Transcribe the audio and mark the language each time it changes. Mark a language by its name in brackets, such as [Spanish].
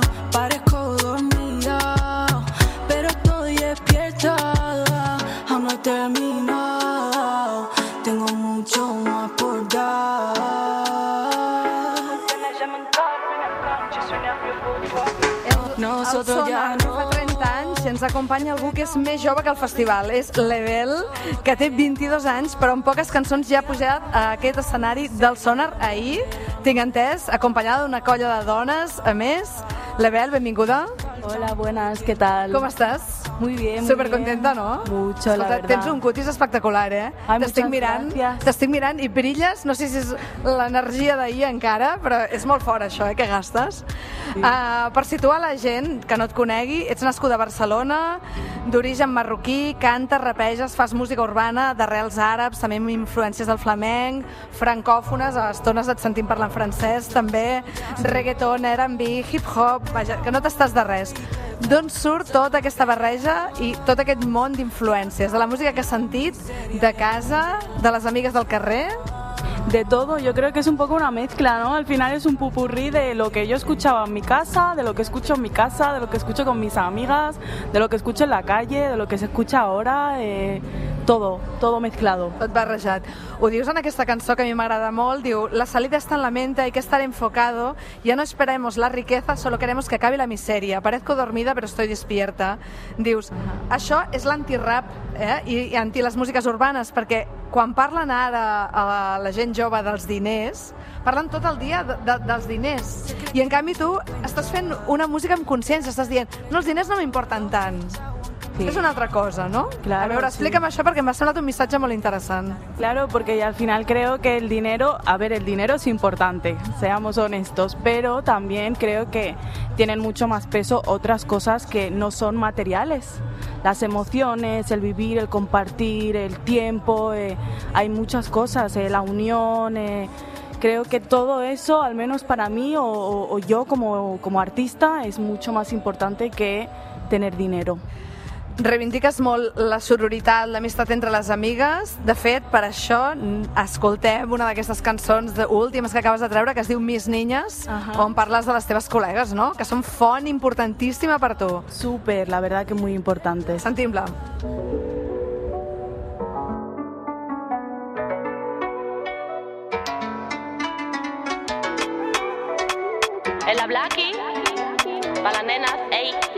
[Spanish] Parezco dormida, pero estoy despierta. Aún no he terminado, tengo mucho más por dar. Nosotros ya no. [Catalan] Ens acompanya algú que és més jove que el festival, és Level, que té 22 anys, però amb poques cançons ja ha pujat a aquest escenari del Sonar ahir, tinc entès, acompanyada d'una colla de dones, a més. Level, benvinguda. [Spanish] Hola, buenas, ¿qué tal? [Catalan] Com estàs? [Spanish] Muy bien, muy supercontenta, bien. No? Mucho, [Catalan] escolta, [Spanish] la verdad. [Catalan] Tens un cutis espectacular, eh? [Spanish] Ay, muchas [Catalan] mirant, [Spanish] gracias. [Catalan] T'estic mirant i brilles, no sé si és l'energia d'ahir encara, però és molt fort això, que gastes. Sí. Per situar la gent que no et conegui, ets nascuda a Barcelona, d'origen marroquí, cantes, rapeges, fas música urbana, d'arrels àrabs, també amb influències del flamenc, francòfones, a estones et sentim parlant francès, també, reggaeton, R&B, hip-hop, vaja, que no t'estàs de res. D'on surt tota aquesta barreja i tot aquest món d'influències? De la música que has sentit, de casa, de les amigues del carrer? [Spanish] De todo, yo creo que es un poco una mezcla, ¿no? Al final es un pupurrí de lo que yo escuchaba en mi casa, de lo que escucho en mi casa, de lo que escucho con mis amigas, de lo que escucho en la calle, de lo que se escucha ahora, todo, todo mezclado. [Catalan] Tot barrejat. Ho dius en aquesta cançó que a mi m'agrada molt, diu, [Spanish] la salida está en la mente, hay que estar enfocado, ya no esperemos la riqueza, solo queremos que acabe la miseria, parezco dormida pero estoy despierta. [Catalan] Dius, això és l'antirrap, eh? I anti les músiques urbanes, perquè quan parlen ara a la gent jove dels diners, parlen tot el dia dels diners. I en canvi tu estàs fent una música amb consciència, estàs dient, no, els diners no m'importen tant. Sí. És una altra cosa, no? [Spanish] Claro, [Catalan] a veure, explica'm això perquè m'ha semblat un missatge molt interessant. [Spanish] Claro, porque al final creo que el dinero, a ver, el dinero es importante, seamos honestos, pero también creo que tienen mucho más peso otras cosas que no son materiales. Las emociones, el vivir, el compartir, el tiempo, hay muchas cosas, la unión, creo que todo eso, al menos para mí o yo como artista, es mucho más importante que tener dinero. [Catalan] Reivindiques molt la sororitat, l'amistat entre les amigues. De fet, per això escoltem una d'aquestes cançons últimes que acabes de treure, que es diu Miss Niñas, uh-huh. On parles de les teves col·legues, no? Que són font importantíssima per tu. [Spanish] Súper, la verdad que muy importante. [Catalan] Sentim-la. [Spanish] El habla aquí, para las nenas, ey.